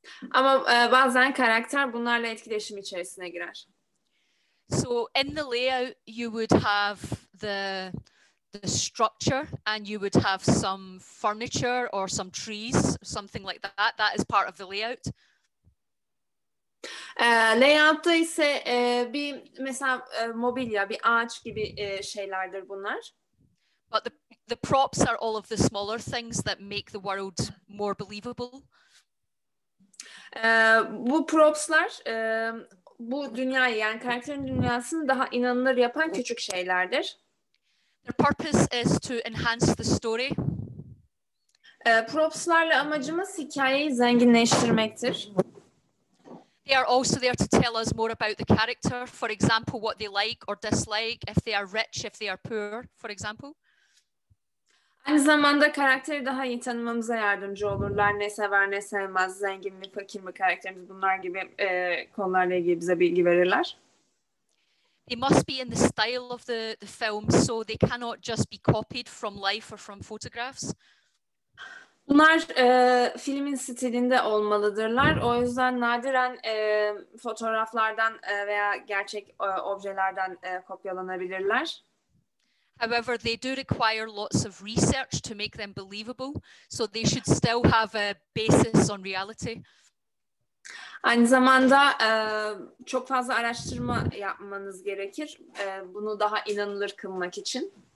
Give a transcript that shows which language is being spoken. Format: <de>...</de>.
<tr>Ama bazen karakter bunlarla etkileşim içerisine girer.</tr> <en>So in the layout you would have the structure and you would have some furniture or some trees, something like that. That is part of the layout.</en> <tr>Layout'ta ise bir mesela mobilya, bir ağaç gibi şeylerdir bunlar.</tr> <en>But the props are all of the smaller things that make the world more believable.</en> <tr>Bu propslar bu dünyayı, yani karakterin dünyasını daha inanılır yapan küçük şeylerdir.</tr> <en>Their purpose is to enhance the story.</en> <tr>Propslarla amacımız hikayeyi zenginleştirmektir.</tr> <en>They are also there to tell us more about the character. For example, what they like or dislike, if they are rich, if they are poor, for example.</en> <tr>Aynı zamanda karakteri daha iyi tanımamıza yardımcı olurlar. Ne sever, ne sevmez, zengin mi, fakir mi karakterimiz, bunlar gibi konularla ilgili bize bilgi verirler.</tr> <en>they must be in the style of the film, so they cannot just be copied from life or from photographs.</en> <tr>Bunlar filmin stilinde olmalıdırlar. O yüzden nadiren fotoğraflardan veya gerçek objelerden kopyalanabilirler.</tr> <en>However, they do require lots of research to make them believable, so they should still have a basis on reality.</en> <tr>Aynı zamanda çok fazla araştırma yapmanız gerekir bunu daha inanılır kılmak için.</tr>